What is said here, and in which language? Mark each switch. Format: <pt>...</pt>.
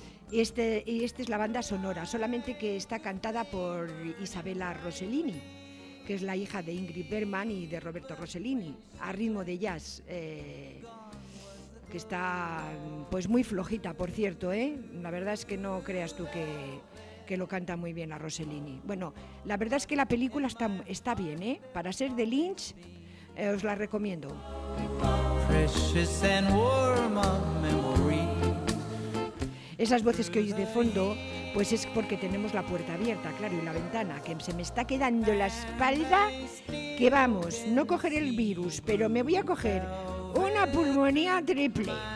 <es>Y esta es la banda sonora, solamente que está cantada por Isabella Rossellini, que es la hija de Ingrid Bergman y de Roberto Rossellini, a ritmo de jazz, que está pues muy flojita, por cierto, ¿eh? La verdad es que no creas tú que lo canta muy bien a Rossellini. Bueno, la verdad es que la película está bien, ¿eh? Para ser de Lynch, os la recomiendo.</es> <en>Precious and warm a memory.</en> <es>Esas voces que oís de fondo, pues es porque tenemos la puerta abierta, claro, y la ventana, que se me está quedando la espalda, que vamos, no coger el virus, pero me voy a coger una pulmonía triple.</es>